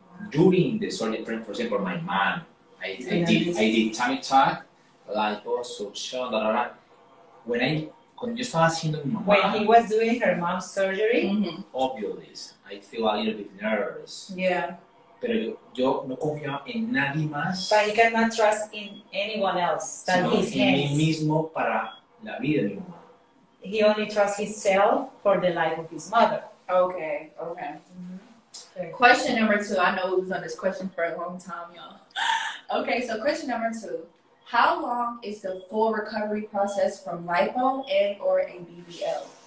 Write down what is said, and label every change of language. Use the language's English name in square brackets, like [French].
[English] During the surgery, for example, my mom, I did tummy tuck, like, oh, so sure, da, da, da. When I, when you start seeing my mom, when he was doing her mom's surgery, obviously, I feel a little bit nervous. Yeah. [Spanish] Pero yo no confío en nadie más. [English] But he cannot trust in anyone else than his hands. [Spanish] Sino en mí mismo para la vida de mi mamá. [English] He only trusts himself for the life of his mother. Okay, okay. Mm-hmm. Question number two. I know we've done this question for a long time, y'all. Okay, so question number two. How long is the full recovery process from lipo and or a BBL?